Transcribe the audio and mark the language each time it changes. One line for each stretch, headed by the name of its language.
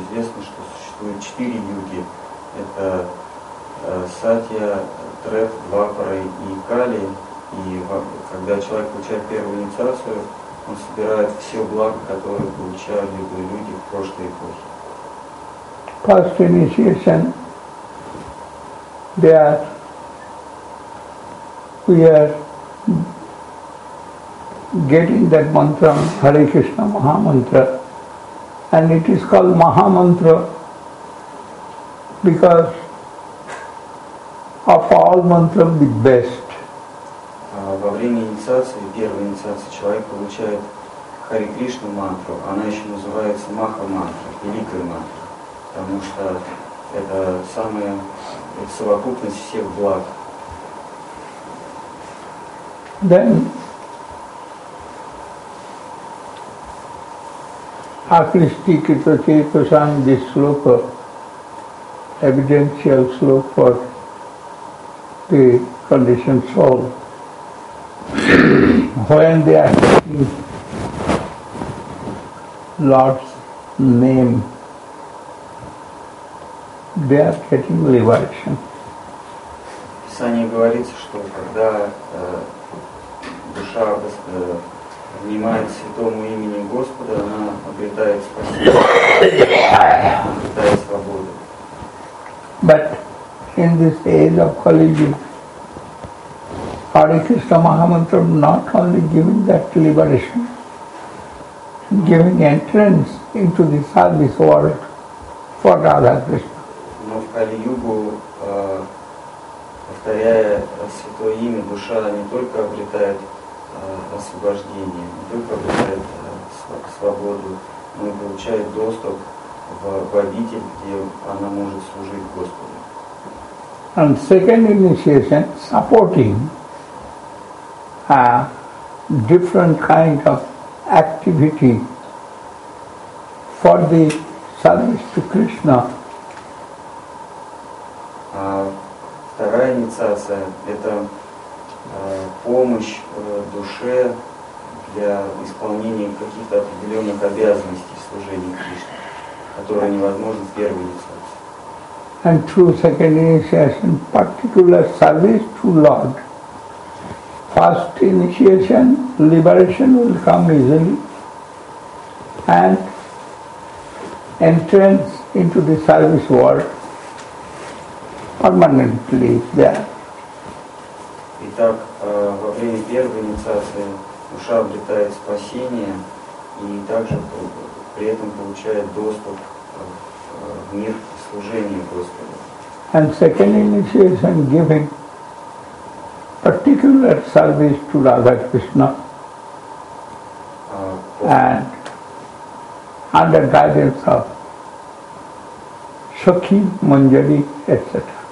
Russian: Известно, что существует четыре юги. Это Сатья, Трет, Двапара и Кали. И когда человек получает первую инициацию, он собирает все благо, которое получали люди в прошлой эпохе.
English: First initiation, there we are getting that mantra, Hare Krishna Mahamantra, and it is called Mahamantra because of all mantra the best.
Russian: Во время инициации, первой инициации, человек получает Hare Krishna мантру, она еще называется Маха-мантра, великая мантра. потому что это самое, это совокупность всех благ.
English: Then Akrishti Krita Chetasam, this sloka, evidential sloka for the conditioned soul. When they are in Lord's name, they are getting liberation.
Russian: Писание говорится, что когда душа внимает святому имени Господа, она обретает спасение, обретает свободу.
English: But in this age of Kali Yuga, Hare Krishna Mahamantra not only giving that liberation, giving entrance into the service world for Radha Krishna.
Russian: Но в Кали-Югу, повторяя святое имя, душа не только обретает освобождение, не только обретает свободу, но и получает доступ в обитель, где она может служить Господу.
English: And second initiation, supporting a different kind of activity for the service to Krishna.
Russian: Вторая инициация – это помощь душе для исполнения каких-то определенных обязанностей в служении Кришне, которые невозможны в первой инициации.
English: And through second initiation, particular service to Lord. First initiation, liberation will come easily, and entrance into the service world permanently there.
Russian: Итак, во время первой инициации душа обретает спасение и также при этом получает доступ в мир служения Господу.
English: And second initiation giving particular service to Radha Krishna and under guidance of Sakhi, Manjari, etc.